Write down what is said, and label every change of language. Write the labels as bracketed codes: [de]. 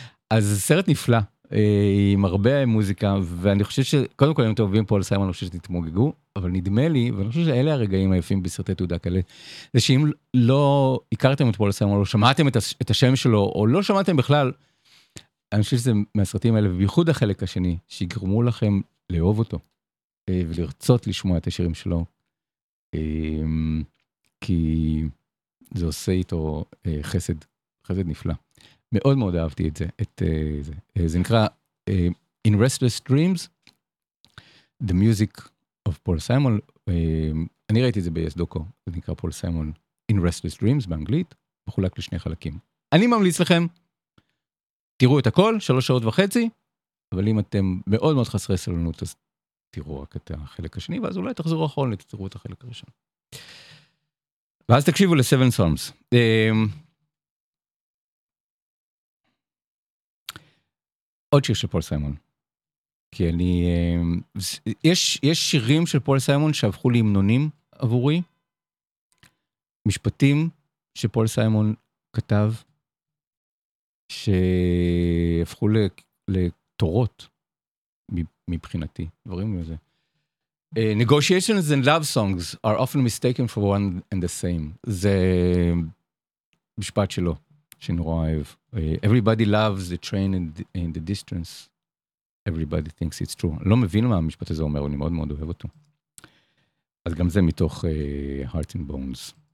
[he] אז סרט נפלא, עם הרבה מוזיקה, ואני חושב שקודם כל, אם אתם אוהבים פול סיימן, אני חושב שתתמוגגו, אבל נדמה לי, ואני חושב שאלה הרגעים היפים בסרטי תעודה כאלה, זה שאם לא הכרתם את פול סיימן, או לא שמעתם את השם שלו, או לא שמעתם בכלל, אני חושב שזה מהסרטים האלה, ובייחוד החלק השני, שיגרמו לכם לאהוב אותו, ולרצות לשמוע את השירים שלו, כי זה עושה איתו חסד, חסד נפלא. מאוד מאוד אהבתי את זה, את זה. זה נקרא In Restless Dreams, The Music of Paul Simon. אני ראיתי את זה ב-YES Doco, זה נקרא Paul Simon In Restless Dreams באנגלית, וחולק לשני חלקים. אני ממליץ לכם, תראו את הכל, 3.5 שעות, אבל אם אתם מאוד מאוד חסרי סבלנות, אז תראו רק את החלק השני, ואז אולי תחזרו אחרונה, תראו את החלק הראשון. ואז תקשיבו ל-7 Psalms. עוד שיר של פול סיימון. כי אני... יש שירים של פול סיימון שהפכו להמנונים עבורי. משפטים שפול סיימון כתב, שהפכו לתורות מבחינתי. דברים כמו זה. [en] Negotiations and love songs are often mistaken for one and the same. [he] זה משפט שלו. שנורא אהב. [en] Everybody loves the train in the distance. Everybody thinks it's true. [he] לא מבין מה המשפט הזה אומר, אני מאוד מאוד אוהב אותו. אז גם זה מתוך Heart and Bones.